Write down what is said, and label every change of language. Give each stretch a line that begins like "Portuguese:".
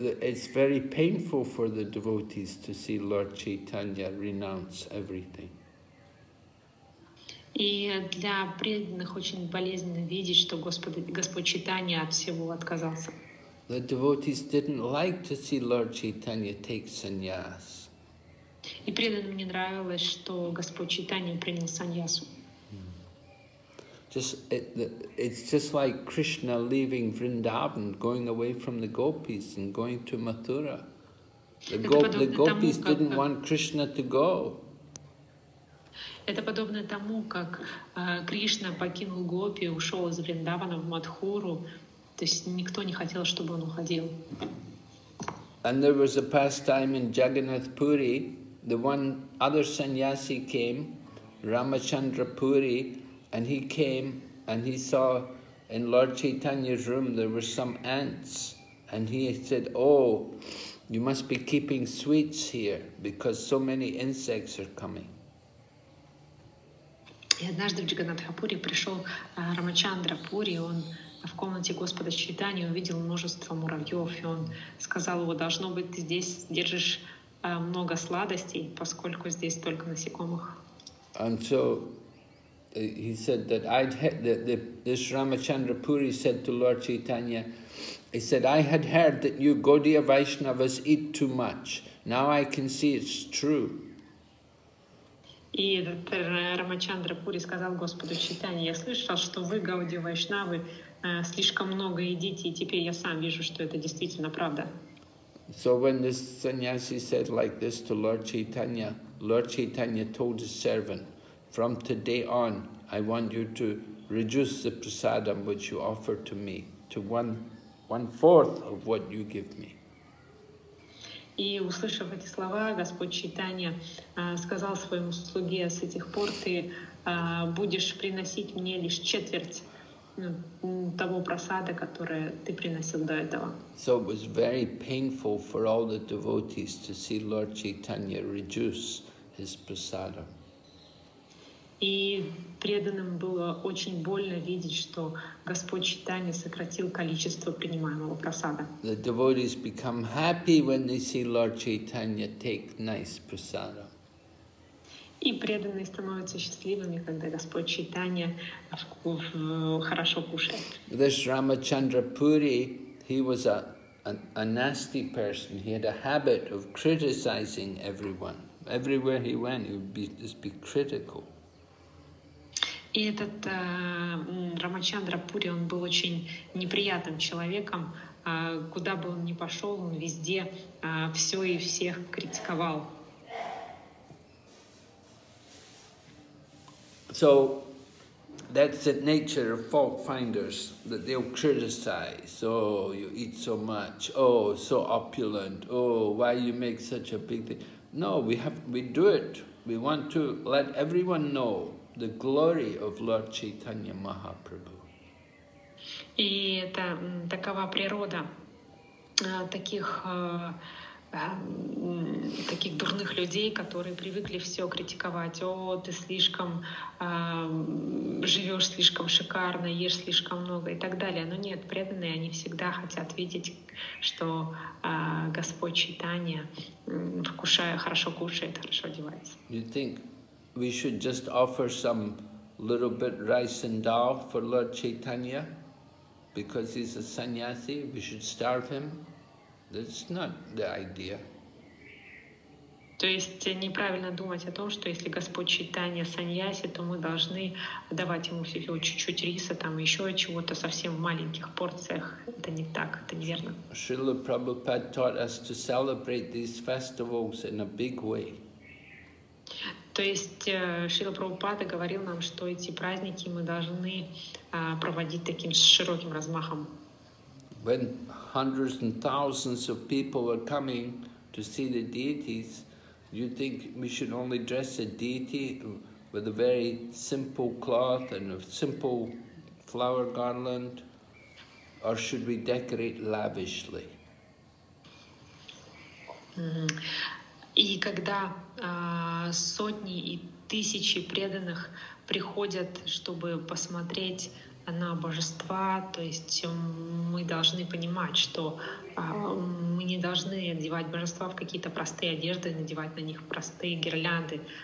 English: It's very painful for the devotees to see Lord Chaitanya renounce everything.
Russian: И для преданных очень болезненно видеть, что Господь Чайтанья от всего отказался.
English: The devotees didn't like to see Lord Chaitanya take sannyas.
Russian: И преданным не нравилось, что Господь Чайтанья принял саньясу.
English: It's just like Krishna leaving Vrindavan, going away from the gopis and going to Mathura. The gopis didn't want Krishna to go.
Russian: Это подобно тому, как Кришна покинул гопи, ушел из Вриндавана в Матхуру. То есть никто не хотел, чтобы он уходил.
English: And there was a pastime in Jagannath Puri. The one other sannyasi came, Ramachandra Puri, and he came and he saw in Lord Chaitanya's room there were some ants. And he said, oh, you must be keeping sweets here because so many insects are coming.
Russian: И однажды в Джаганатхапури пришел Рамачандра Пури, он в комнате Господа Чайтанья увидел множество муравьев, и он сказал, его должно быть, ты здесь держишь много сладостей, поскольку здесь только насекомых.
English: And so he said that this Рамачандра Пури said to Lord Chaitanya, he said, I had heard that you Gaudiya Vaishnavas eat too much. Now I can see it's true.
Russian: И Рамачандра Пури сказал Господу Чайтанье, я слышал, что вы, Гауди Вайшнавы, слишком много едите, и теперь я сам вижу, что это действительно правда.
English: So when the sannyasi said like this to Lord Chaitanya told his servant, from today on, I want you to reduce the prasadam which you offer to me to one-fourth of what you give me.
Russian: И, услышав эти слова, Господь Чайтанья сказал своему слуге, с этих пор ты будешь приносить мне лишь четверть того просада, который ты приносил до этого.
English: So it was very painful for all the devotees to see Lord Chaitanya reduce his prasada.
Russian: И преданным было очень больно видеть, что Господь Чайтанья сократил количество принимаемого просада.
English: The devotees become happy when they see Lord Chaitanya take nice prasada.
Russian: И преданные становятся счастливыми, когда Господь Чайтанья хорошо кушает.
English: This Рамачандра Пури, he was a nasty person. He had a habit of criticizing everyone. Everywhere he went, he would just be critical.
Russian: И этот Рамачандра Пури, он был очень неприятным человеком. Куда бы он ни пошел, он везде все и всех критиковал.
English: So that's the nature of fault finders, that they'll criticize. Oh, you eat so much. Oh, so opulent. Oh, why you make such a big thing? No, we do it. We want to let everyone know the glory of Lord Chaitanya Mahaprabhu.
Russian: И это такова природа таких дурных людей, которые привыкли все критиковать. О, ты слишком живешь слишком шикарно, ешь слишком много и так далее. Но нет, преданные, они всегда хотят видеть, что Господь Чайтанья хорошо кушает, хорошо одевается.
English: You think we should just offer some little bit rice and dal for Lord Chaitanya because he's a sannyasi? We should starve him? That's not the idea.
Russian: То есть неправильно думать о том, что если Господь Чайтанья саньяси, то мы должны давать ему всего чуть-чуть риса, там еще чего-то совсем в маленьких порциях. Это не так, это неверно.
English: Шрила Прабхупад taught us to celebrate these festivals in a big way.
Russian: То есть Шрила Прабхупада говорил нам, что эти праздники мы должны проводить таким широким размахом.
English: When hundreds and thousands of people are coming to see the deities, you think we should only dress a deity with a very simple cloth and a simple flower garland, or should we decorate lavishly?
Russian: И когда сотни и тысячи преданных приходят, чтобы посмотреть на божества, то есть мы должны понимать, что мы не должны одевать божества в какие-то простые одежды, надевать на них простые гирлянды.